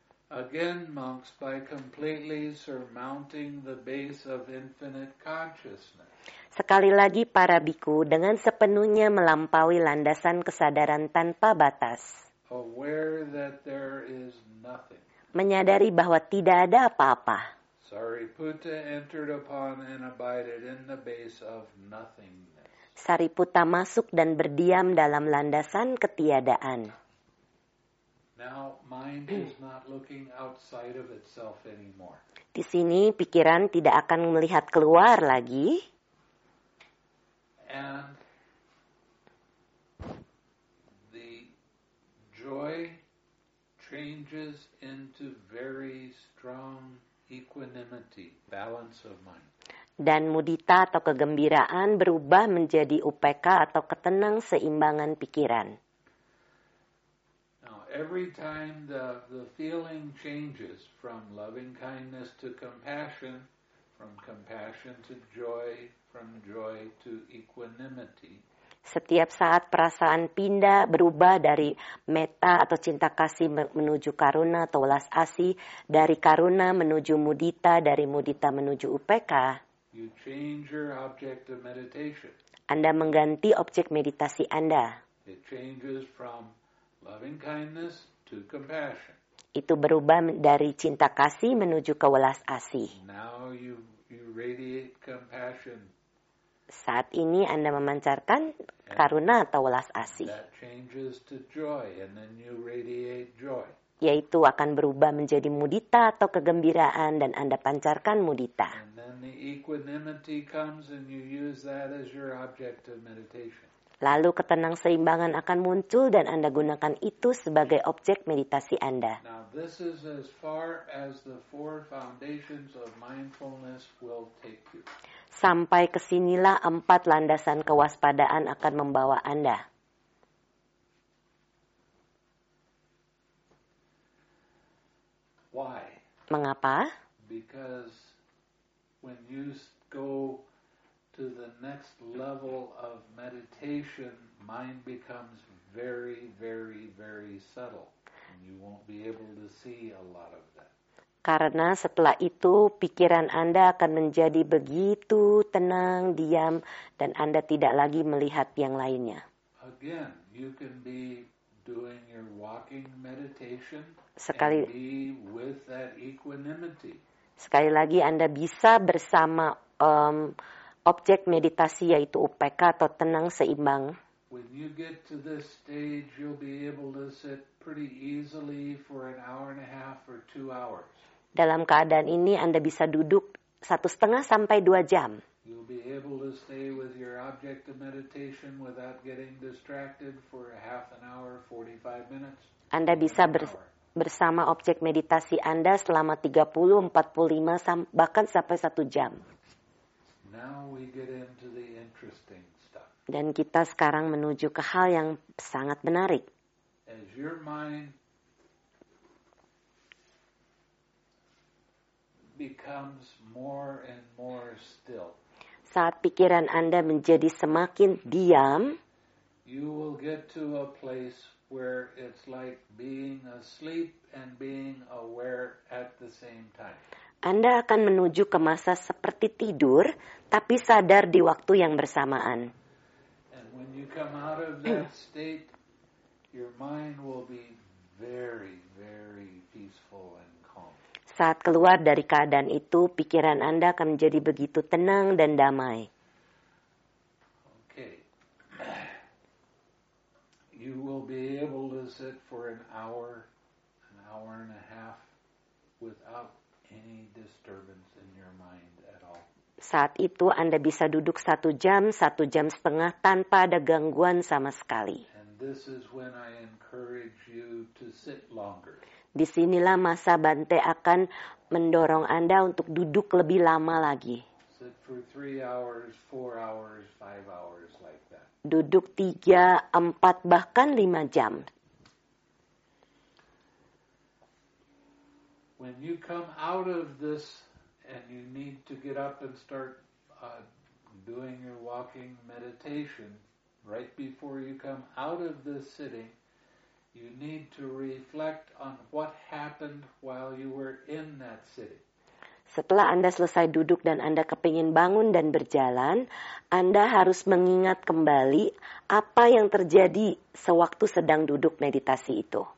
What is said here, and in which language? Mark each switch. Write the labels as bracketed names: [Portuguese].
[English] Again, monks, by completely surmounting the base of infinite consciousness. [Indonesian] Sekali lagi para bhikkhu dengan sepenuhnya melampaui landasan kesadaran tanpa batas. [English] Aware that there is nothing. [Indonesian] Menyadari bahwa tidak ada apa-apa. [English] Sariputta entered upon and abided in the base of nothingness. [Indonesian] Sariputta masuk dan berdiam dalam landasan ketiadaan. [English] Now mind is not looking outside of itself anymore. [Indonesian] Di sini pikiran tidak akan melihat keluar lagi. [English] And the joy changes into very strong equanimity, balance of mind. [Indonesian] Dan mudita atau kegembiraan berubah menjadi upeka atau ketenang seimbangan pikiran. [English] Now every time the feeling changes from loving kindness to compassion, from compassion to joy, from joy to equanimity. [Indonesian] Setiap saat perasaan pindah berubah dari metta atau cinta kasih menuju karuna atau welas asih, dari karuna menuju mudita, dari mudita menuju upeka. [English] You change your object of meditation. [Indonesian] Anda mengganti objek meditasi Anda. [English] It changes from loving kindness to compassion. [Indonesian] Itu berubah dari cinta kasih menuju ke welas asih. [English] Now you radiate compassion. [Indonesian] Saat ini Anda memancarkan karuna atau welas asih. [English] That changes to joy, and then you radiate joy. [Indonesian] Yaitu akan berubah menjadi mudita atau kegembiraan dan Anda pancarkan mudita. [English] And then the equanimity comes and you use that as your object of meditation. [Indonesian] Lalu ketenang seimbangan akan muncul dan Anda gunakan itu sebagai objek meditasi Anda. [English] Now this is as far as the four foundations of mindfulness will take you. [Indonesian] Sampai kesinilah empat landasan kewaspadaan akan membawa Anda. [English] Why? [Indonesian] Mengapa? [English] Because when you go to the next level of meditation, mind becomes very, very, very subtle. And you won't be able to see a lot of that. [Indonesian] Karena setelah itu pikiran Anda akan menjadi begitu tenang, diam, dan Anda tidak lagi melihat yang lainnya. [English] Again, you can be doing your walking meditation [Indonesian] sekali, [English] and be with that equanimity. [Indonesian] Sekali lagi Anda bisa bersama objek meditasi yaitu upekka atau tenang seimbang. [English] When you get to this stage, you'll be able to sit pretty easily for an hour and a half or 2 hours. [Indonesian] Dalam keadaan ini, Anda bisa duduk 1,5 sampai 2 jam. [English] You'll be able to stay with your object of meditation without getting distracted for a half an hour, 45 minutes. [Indonesian] Anda bisa bersama objek meditasi Anda selama 30, 45, bahkan sampai 1 jam. [English] Now we get into the interesting stuff. [Indonesian] Dan kita sekarang menuju ke hal yang sangat menarik. [English] As your mind becomes more and more still. [Indonesian] Saat pikiran Anda menjadi semakin diam, [English] you will get to a place where it's like being asleep and being aware at the same time. [Indonesian] Anda akan menuju ke masa seperti tidur, tapi sadar di waktu yang bersamaan. [English] And when you come out of that state, your mind will be very, very peaceful and calm. [Indonesian] Saat keluar dari keadaan itu, pikiran Anda akan menjadi begitu tenang dan damai. [English] Okay. You will be able to sit for an hour, an hour and a half without any disturbance in your mind at all. [Indonesian] Saat itu Anda bisa duduk satu jam setengah tanpa ada gangguan sama sekali. [English] And this is when I encourage you to sit longer. [Indonesian] Disinilah masa Bante akan mendorong Anda untuk duduk lebih lama lagi. [English] Sit for 3 hours, 4 hours, 5 hours like that. [Indonesian] Duduk 3, 4, bahkan 5 jam. [English] When you come out of this and you need to get up and start doing your walking meditation, right before you come out of this sitting, you need to reflect on what happened while you were in that sitting. [Indonesian] Setelah Anda selesai duduk dan Anda kepingin bangun dan berjalan, Anda harus mengingat kembali apa yang terjadi sewaktu sedang duduk meditasi itu.